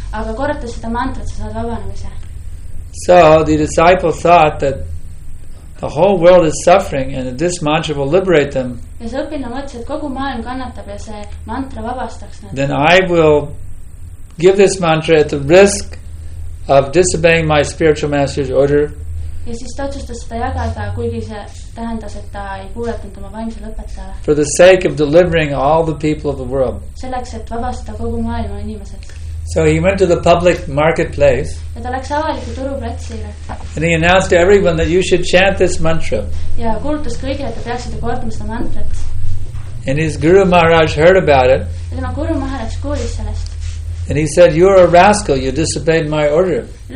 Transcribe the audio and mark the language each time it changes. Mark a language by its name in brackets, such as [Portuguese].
[English] So the disciple thought that the whole world is suffering and that this mantra will liberate them. Then I will give this mantra at the risk of disobeying my spiritual master's order. [Estonian] Ja siis ta otsustas seda jagada, kuigi see tähendas, et ta ei kuuletanud oma vaimse lõpetajale. [English] For the sake of delivering all the people of the world. [Estonian] Selleks, et vabastada kogu maailma inimesed. [English] So he went to the public marketplace. [Estonian] Ja ta läks avaliku turu platsile. [English] And he announced to everyone that you should chant this mantra. [Estonian] Ja kuulutas kõigile, et ta peaksid kordama seda mantrat. [English] And his Guru Maharaj heard about it. [Estonian] tema kuru maha läks koolis sellest. [English] And he said, you're a rascal, you disobeyed my order.